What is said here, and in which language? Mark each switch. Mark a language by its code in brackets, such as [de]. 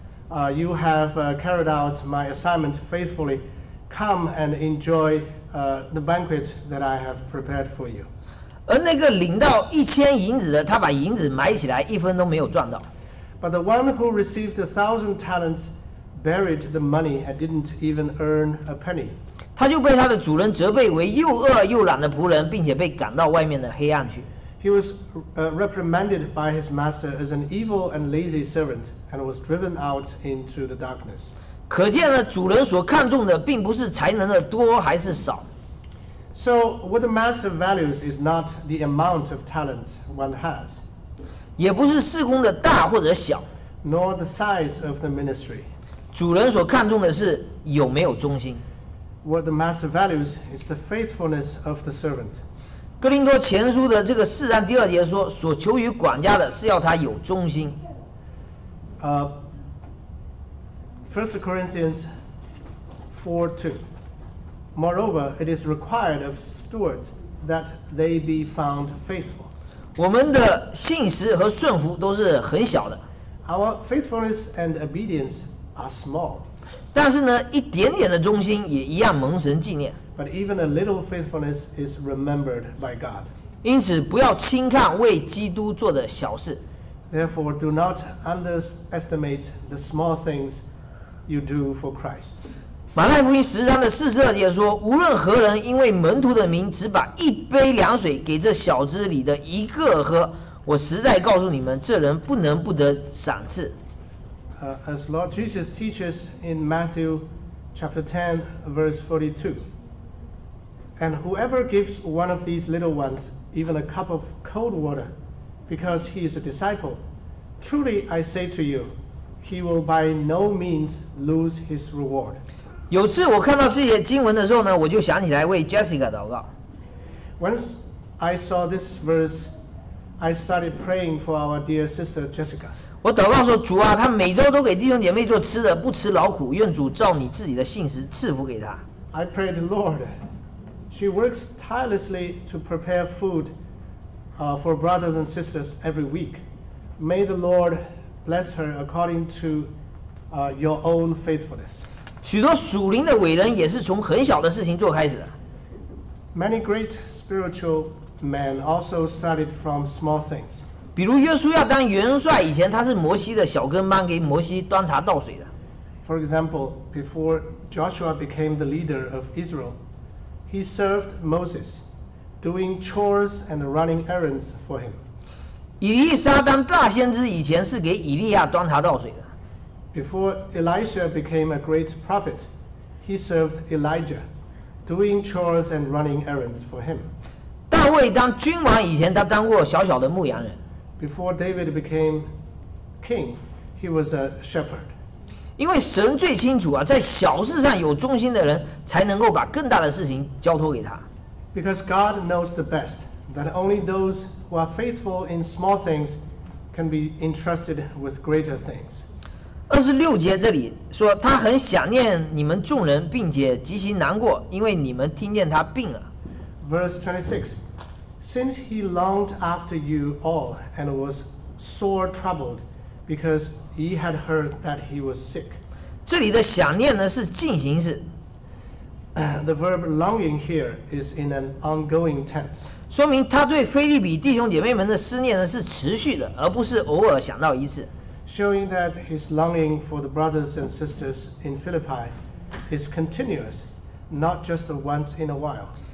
[en] You have carried out my assignment faithfully. Come and enjoy the banquet that I have prepared for you. [zh] 而那个领到一千银子的，他把银子埋起来，一分都没有赚到。 [en] But the one who received 1,000 talents buried the money and didn't even earn a penny. [zh] 他就被他的主人责备为又饿又懒的仆人，并且被赶到外面的黑暗去。 [en] He was reprimanded by his master as an evil and lazy servant and was driven out into the darkness. [zh] 可见呢，主人所看重的并不是才能的多还是少。 [en] So what the master values is not the amount of talents one has. [zh] 也不是事工的大或者小。 [en] Nor the size of the ministry. [zh] 主人所看重的是有没有忠心。 [en] What the master values is the faithfulness of the servant. [zh] 哥林多前书的这个四章第二节说，所求于管家的是要他有忠心。 [en] First Corinthians 4:2. Moreover, it is required of stewards that they be found faithful. [zh] 我们的信实和顺服都是很小的。 [en] Our faithfulness and obedience are small. [zh] 但是呢，一点点的忠心也一样蒙神纪念。 [en] But even a little faithfulness is remembered by God. [zh] 因此，不要轻看为基督做的小事。 [en] Therefore, do not underestimate the small things you do for Christ. [zh] 马太福音十章的42节说：“无论何人因为门徒的名，只把一杯凉水给这小子里的一个喝，我实在告诉你们，这人不能不得赏赐。” [en] As Lord Jesus teaches in Matthew chapter 10, verse 42. And whoever gives one of these little ones even a cup of cold water because he is a disciple, truly I say to you, he will by no means lose his reward. [zh] 有次我看到这些经文的时候呢，我就想起来为 Jessica 祷告。 [en] Once I saw this verse, I started praying for our dear sister Jessica. [zh] 我祷告说，主啊，他每周都给弟兄姐妹做吃的，不辞劳苦，愿主照你自己的信实赐福给他。 [en] I prayed, Lord,She works tirelessly to prepare food for brothers and sisters every week. May the Lord bless her according to your own faithfulness. [zh] 许多属灵的伟人也是从很小的事情做开始的。 [en] Many great spiritual men also started from small things. [zh] 比如约书亚当元帅以前，他是摩西的小跟班，给摩西端茶倒水的。 [en] For example, before Joshua became the leader of Israel,He served Moses, doing chores and running errands for him. [zh] 以利沙当大先知以前是给以利亚端茶倒水的。 [en] Before Elisha became a great prophet, he served Elijah, doing chores and running errands for him. [zh] 大卫当君王以前，他当过小小的牧羊人。 [en] Before David became king, he was a shepherd. [zh] 因为神最清楚啊，在小事上有忠心的人，才能够把更大的事情交托给他。 [en] Because God knows the best, that only those who are faithful in small things can be entrusted with greater things. [zh] 二十六节这里说，他很想念你们众人，并且极其难过，因为你们听见他病了。 [en] Verse 26, since he longed after you all and was sore troubled. Because he had heard that he was sick. [zh] 这里的想念呢是进行式。 [en] The verb longing here is in an ongoing tense. [zh] 说明他对腓立比弟兄姐妹们的思念呢是持续的，而不是偶尔想到一次。 [en] Showing that his longing for the brothers and sisters in Philippi is continuous, not just once in a while.